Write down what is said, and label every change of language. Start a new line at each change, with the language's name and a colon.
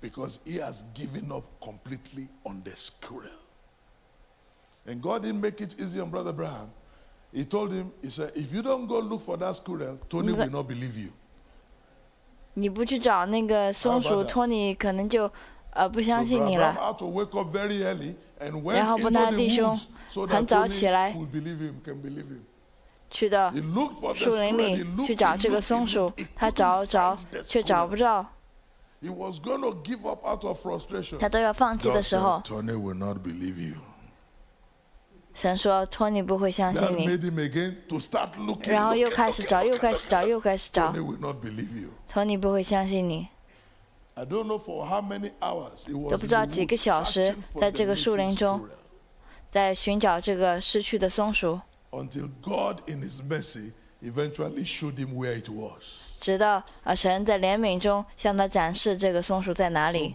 English: Because he has given up completely on the squirrel. And God didn't make it easy on Brother Abraham. He told him, he said, if you don't go look for that squirrel, Tony will not believe you.
Chinese: 你不去找那个松鼠，托尼可能就不相信你了。
English: So Brother Abraham had to wake up very early and went into the woods so that Tony could believe him, can believe him.
Chinese: 去的树林里去找这个松鼠，他找找却找不着。
English: He was going to give up out of frustration.
Chinese: 他都要放弃的时候，
English: Tony will not believe you.
Chinese: 神说托尼不会相信你。
English: That made him again to start looking.
Chinese: 然后又开始找，又开始找，又开始找。
English: Tony will not believe you.
Chinese: 托尼不会相信你。
English: I don't know for how many hours it was.
Chinese: 都不知道几个小时，在这个树林中，在寻找这个失去的松鼠。
English: Until God in His mercy eventually showed him where it was.
Chinese: 直到神在怜悯中向他展示这个松鼠在哪里。